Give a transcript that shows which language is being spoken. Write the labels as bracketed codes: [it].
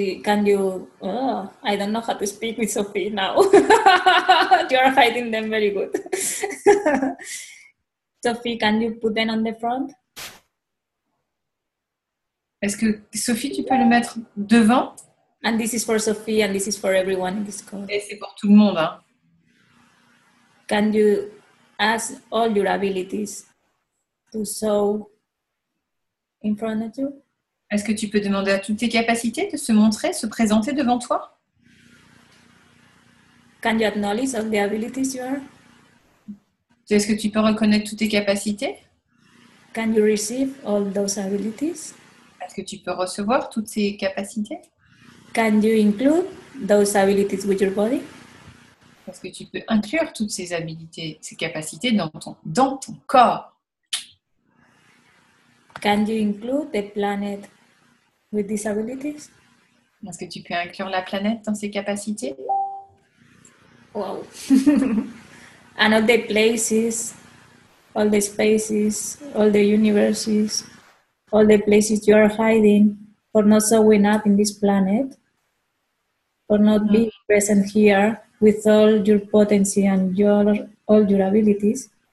[en] Can you I don't know how to speak with Sophie now. You are hiding them very good. Sophie, can you put them on the front? [fr] Est-ce que Sophie, tu peux le mettre devant? [en] And this is for Sophie and this is for everyone in this call. [fr] Et c'est pour tout le monde, hein. [en] Can you ask all your abilities to show in front of you? [fr] Est-ce que tu peux demander à toutes tes capacités de se montrer, se présenter devant toi? [en] Can you acknowledge all the abilities you are? [fr] Est-ce que tu peux reconnaître toutes tes capacités? [en] Can you receive all those abilities? [fr] Est-ce que tu peux recevoir toutes ces capacités? [en] Can you include those abilities with your body? [fr] Est-ce que tu peux inclure toutes ces habilités, ces capacités dans ton corps? [en] Can you include the planet with these abilities? [fr] Est-ce que tu peux inclure la planète dans ces capacités? [en] Wow. And all the places all the spaces, all the universes, all the places you are hiding for not showing up in this planet, for not being present here with all your potency and all your abilities.